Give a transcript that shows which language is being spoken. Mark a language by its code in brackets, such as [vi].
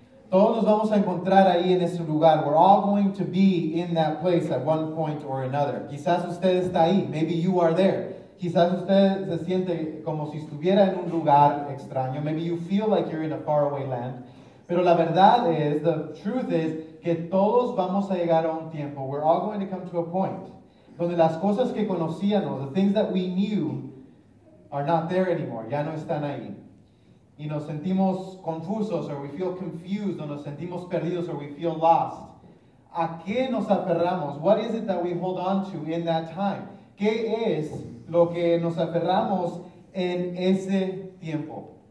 [es] Todos nos vamos a encontrar ahí en ese lugar. [en] We're all going to be in that place at one point or another. [es] Quizás usted está ahí. [en] Maybe you are there. [es] Quizás usted se siente como si estuviera en un lugar extraño. [en] Maybe you feel like you're in a faraway land. [es] Pero la verdad es, [en] the truth is, [es] que todos vamos a llegar a un tiempo. [en] We're all going to come to a point [es] donde las cosas que conocíamos, [en] the things that we knew, are not there anymore. [es] Ya no están ahí. Y nos sentimos confusos, [en] or we feel confused, [es] o nos sentimos perdidos, [en] or we feel lost. [es] ¿A qué nos aferramos? [en] What is it that we hold on to in that time? [es] ¿Qué es lo que nos aferramos en ese tiempo?